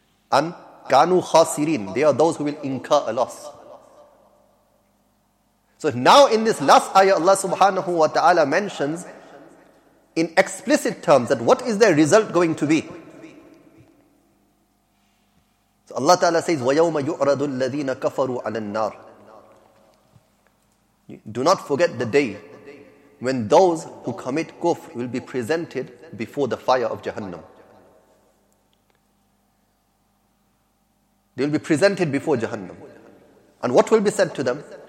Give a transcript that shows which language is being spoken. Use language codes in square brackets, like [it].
[en] And [ar] كَانُوا خَاسِرِينَ [en] They are those who will incur a loss. So now in this last ayah, Allah subhanahu wa ta'ala mentions in explicit terms that what is their result going to be. So Allah Ta'ala says, [ar] وَيَوْمَ يُعْرَضُ الَّذِينَ كَفَرُوا عَلَى النَّارِ. [en] Do not forget the day when those who commit kufr will be presented before the fire of Jahannam. They will be presented before Jahannam. And what will be said to them?